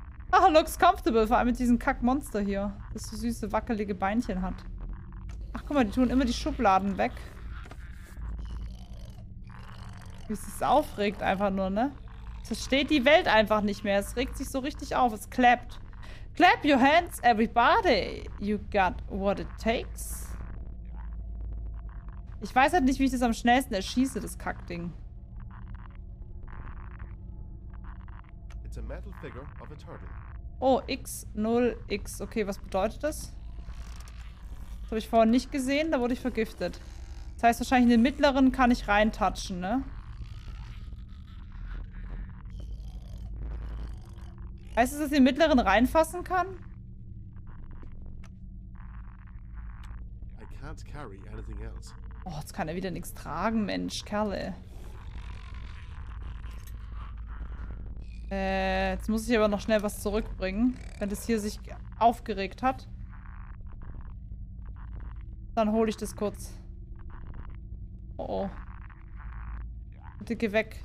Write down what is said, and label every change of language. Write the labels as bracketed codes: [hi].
[en] Ach, looks comfortable. [de] Vor allem mit diesem Kackmonster hier. Das so süße, wackelige Beinchen hat. Ach, guck mal, die tun immer die Schubladen weg. Wie es sich aufregt einfach nur, ne? Das steht die Welt einfach nicht mehr. Es regt sich so richtig auf. Es klappt. [en] Clap your hands, everybody! You got what it takes. [de] Ich weiß halt nicht, wie ich das am schnellsten erschieße, das Kackding. [en] It's a metal figure of a turtle. [de] Oh, X0X. Okay, was bedeutet das? Das habe ich vorhin nicht gesehen, da wurde ich vergiftet. Das heißt, wahrscheinlich in den mittleren kann ich reintatschen, ne? Weißt du, dass ich den mittleren reinfassen kann? [en] I can't carry anything else. [de] Oh, jetzt kann er wieder nichts tragen, Mensch, Kerle. Jetzt muss ich aber noch schnell was zurückbringen, wenn das hier sich aufgeregt hat. Dann hole ich das kurz. Oh oh. Bitte geh weg.